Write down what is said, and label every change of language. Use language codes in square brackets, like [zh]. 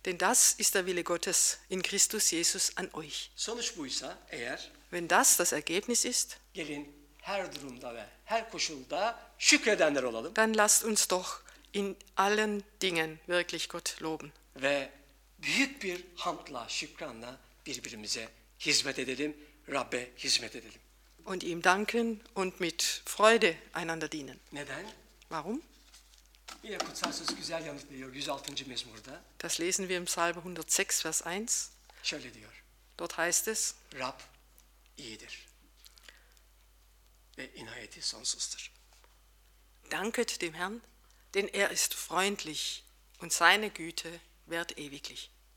[de] Denn das ist der Wille Gottes in Christus Jesus an euch. [tr] Sonuç buysa eğer. [de] Wenn das das Ergebnis ist. [tr] Gelin her durumda ve her koşulda şükredenler olalım. [de] Dann lasst uns doch in allen Dingen wirklich Gott loben. [tr] Ve büyük bir hamdla, şükranla birbirimize hizmet edelim, Rabbe hizmet edelim. [de] Und ihm danken und mit Freude einander dienen. [tr] Neden? [de] Warum? [tr] Yine kutsal söz güzel yanıtlıyor 106. mezmurda. [de] Das lesen wir im Psalm 106, Vers 1. [tr] Şöyle diyor. [de] Dort heißt es. [tr] Rab iyidir. Ve inayeti sonsuzdur. [de] Danket dem Herrn, denn er ist freundlich und seine Güte währt ewiglich.